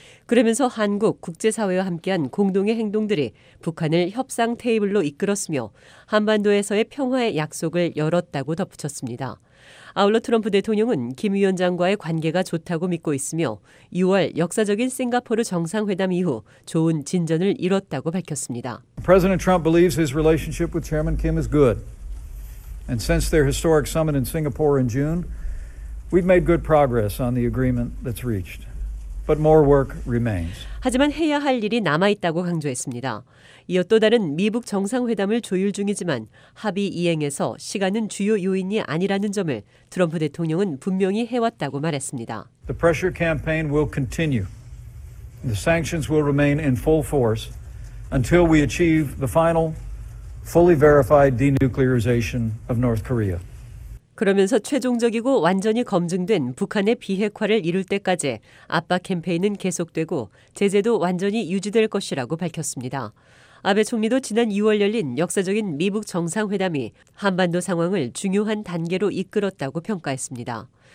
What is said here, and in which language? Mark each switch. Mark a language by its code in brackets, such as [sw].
[ko] 그러면서 한국 국제사회와 함께한 공동의 행동들이 북한을 협상 테이블로 이끌었으며 한반도에서의 평화의 약속을 열었다고 덧붙였습니다. 아울러 트럼프 대통령은 김 위원장과의 관계가 좋다고 믿고 있으며 6월 역사적인 싱가포르 정상회담 이후 좋은 진전을 이뤘다고 밝혔습니다. [en] President Trump believes his relationship with Chairman Kim is good. And since their historic summit in Singapore in June, we've made good progress on the agreement that's reached. But more work remains. [ko] 하지만 해야 할 일이 남아있다고 강조했습니다. 이어 또 다른 미북 정상회담을 조율 중이지만 합의 이행에서 시간은 주요 요인이 아니라는 점을 트럼프 대통령은 분명히 해왔다고 말했습니다. [en] The pressure campaign will continue. The sanctions will remain in full force until we achieve the final, fully verified denuclearization of North Korea. [ko] 그러면서 최종적이고 완전히 검증된 북한의 비핵화를 이룰 때까지 압박 캠페인은 계속되고 제재도 완전히 유지될 것이라고 밝혔습니다. 아베 총리도 지난 2월 열린 역사적인 미북 정상회담이 한반도 상황을 중요한 단계로 이끌었다고 평가했습니다.